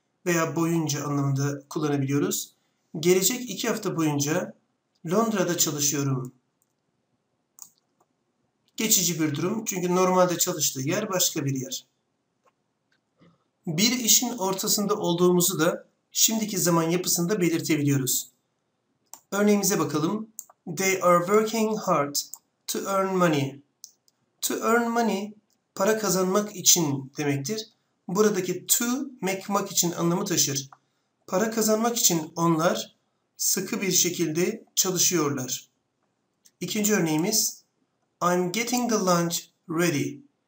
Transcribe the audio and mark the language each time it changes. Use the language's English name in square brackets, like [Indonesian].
[Turkish] Veya boyunca anlamında kullanabiliyoruz. Gelecek iki hafta boyunca Londra'da çalışıyorum. Geçici bir durum çünkü normalde çalıştığı yer başka bir yer. Bir işin ortasında olduğumuzu da şimdiki zaman yapısında belirtebiliyoruz. Örneğimize bakalım. [English] They are working hard to earn money. To earn money [Turkish] para kazanmak için demektir. Buradaki [English] to make money [Turkish] için anlamı taşır. Para kazanmak için onlar sıkı bir şekilde çalışıyorlar. İkinci örneğimiz, [English] I'm getting the lunch ready.